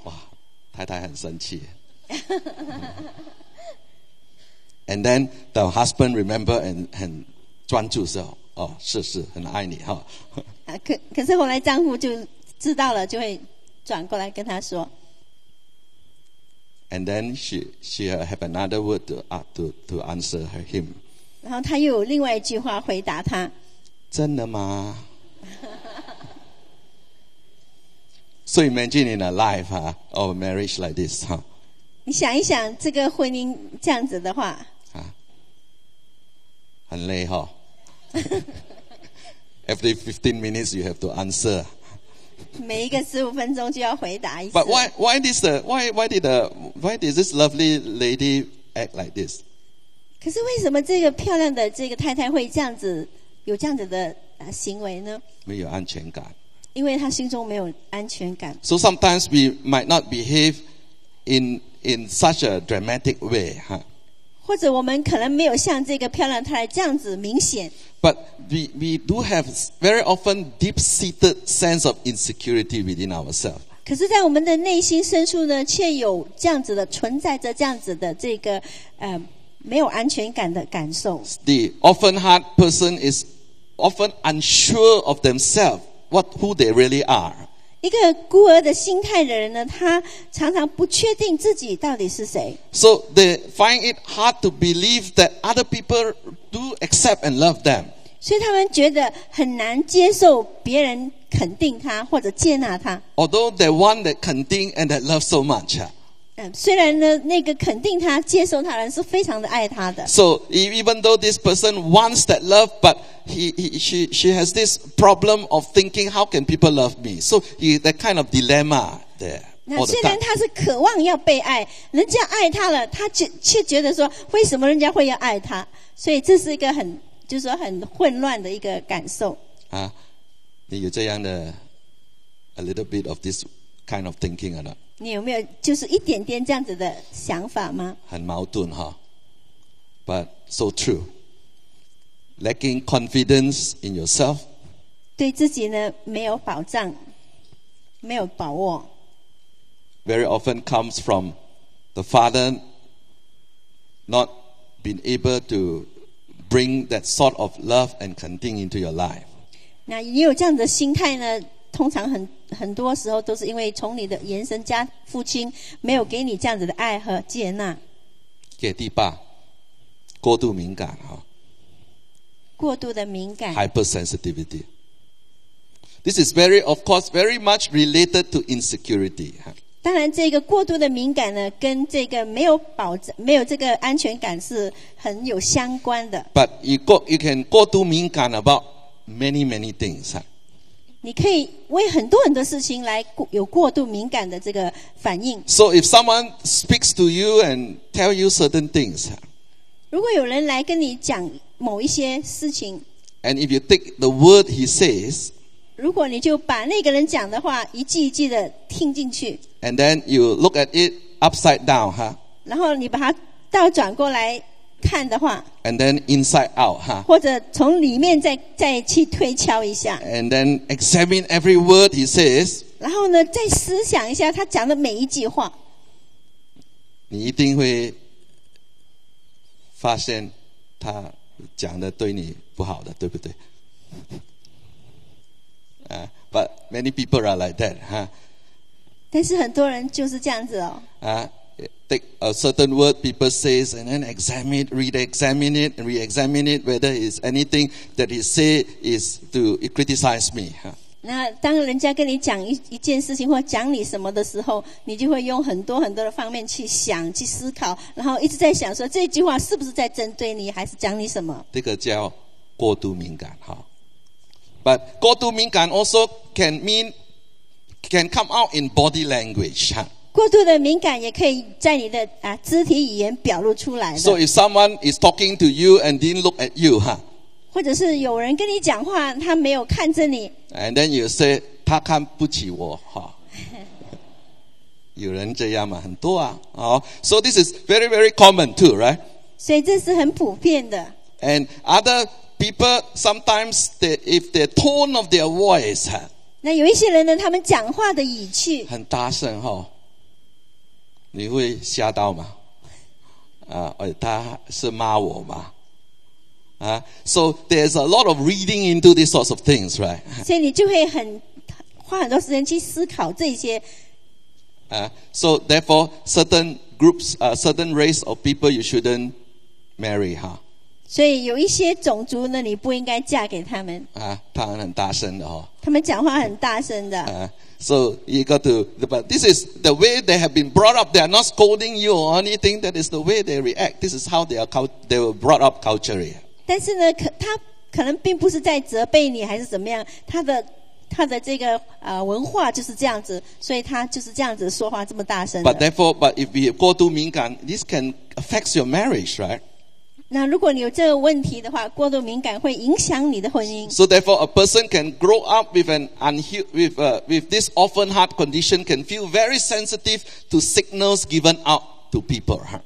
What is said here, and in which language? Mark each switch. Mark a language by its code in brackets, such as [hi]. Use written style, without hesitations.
[zh] 哇，太太很生气。 [en] And then the husband remember and [zh] 很专注说：“哦，是是，很爱你哈。” 可是后来丈夫就知道了，就会转过来跟他说。 [en] And then she have another word to answer her him. [zh] 然后他又有另外一句话回答他。真的吗？ [en] So imagine in a life, huh, or a marriage like this, huh? [zh] 你想一想这个婚姻这样子的话。啊、很累哈、哦。 [en] Every 15 minutes, you have to answer. [zh] 每一个15分钟就要回答一次。 [en] But why did this lovely lady act like this? [zh] 可是为什么这个漂亮的这个太太会这样子有这样子的行为呢？没有安全感。因为他心中没有安全感。 [en] So sometimes we might not behave in such a dramatic way, huh? [zh] 或者我们可能没有像这个漂亮太太这样子明显。 [en] But we do have very often deep-seated sense of insecurity within ourselves. [zh] 可是在我们的内心深处呢，却有这样子的存在着这样子的这个没有安全感的感受。 [en] The often hard person is often unsure of themselves, who they really are. [zh] 一个孤儿的心态的人呢，他常常不确定自己到底是谁。 [en] So they find it hard to believe that other people do accept and love them. [zh] 所以他们觉得很难接受别人肯定他或者接纳他。 [en] Although they want that 肯定 and that love so much. [zh] 虽然呢，那个肯定他、接受他人是非常的爱他的。 [en] So even though this person wants that love, but she has this problem of thinking, how can people love me? So that kind of dilemma there. [zh] 那虽然他是渴望要被爱，人家爱他了，他却觉得说，为什么人家会要爱他？所以这是一个很，就是说很混乱的一个感受。 [en] 啊， [zh] 你有这样的 [en] a little bit of this kind of thinking or not? [zh] 你有没有就是一点点这样子的想法吗？很矛盾哈 [en] ，but so true. Lacking confidence in yourself. [zh] 对自己呢没有保障，没有把握。 [en] Very often comes from the father not being able to bring that sort of love and content into your life. [zh] 那也有这样的心态呢？通常很多时候都是因为从你的原生家父亲没有给你这样子的爱和接纳。给第八，过度敏感哈。过度的敏感。 [en] Hypersensitivity. This is very, of course, very much related to insecurity. [zh] 当然，这个过度的敏感呢，跟这个没有保障、没有这个安全感是很有相关的。 [en] But you can 过度敏感 about many many things. [zh] 你可以为很多很多事情来有过度敏感的这个反应。 [en] So if someone speaks to you and tell you certain things, [zh] 如果有人来跟你讲某一些事情 [en] ，and if you take the word he says, [zh] 如果你就把那个人讲的话一句一句的听进去 [en] ，and then you look at it upside down, [zh] 然后你把它倒转过来看的话 [en] ，and then inside out, [zh] 或者从里面再去推敲一下 [en] ，and then examine every word he says, [zh] 然后呢，再思想一下他讲的每一句话。你一定会发现他讲的对你不好的，对不对？ [en] But many people are like that, [zh] 但是很多人就是这样子哦。 [en] Take a certain word people says and then examine, re-examine it, and re-examine it whether it's anything that he say is to criticize me. [zh] 那当人家跟你讲 一件事情或讲你什么的时候，你就会用很多很多的方面去想、去思考，然后一直在想说这句话是不是在针对你，还是讲你什么？这个叫过度敏感哈。 [en] But 过度敏感 also can come out in body language. [zh] 过度的敏感也可以在你的肢体语言表露出来的。 [en] So if someone is talking to you and didn't look at you, [zh] 或者是有人跟你讲话，他没有看着你。 [en] And then you say, [zh] 他看不起我，哈。有人这样吗？很多啊，哦。 [en] So this is very, very common too, right? [zh] 所以这是很普遍的。 [en] And other people, sometimes, if the tone of their voice, [zh] 那有一些人呢，他们讲话的语气。很大声，哈。你会吓到吗？他是骂我吗？ [en] So there's a lot of reading into these sorts of things, right? [zh] 所以你就会很花很多时间去思考这些。 [en] So therefore, certain groups, certain race of people you shouldn't marry, 哈。 [zh] 所以有一些种族呢，你不应该嫁给他们。他们很大声的哦。他们讲话很大声的。 [en] So you got to, but this is the way they have been brought up. They are not scolding you or anything. That is the way they react. This is how they were brought up culturally. [zh] 但是呢，他可能并不是在责备你还是怎么样。他的这个文化就是这样子，所以他就是这样子说话这么大声。 [en] But if you 过度敏感, this can affect your marriage, right? [zh] 那如果你有这个问题的话，过度敏感会影响你的婚姻。 [en] So therefore, a person can grow up with an with this often hard condition, can feel very sensitive to signals given out to people.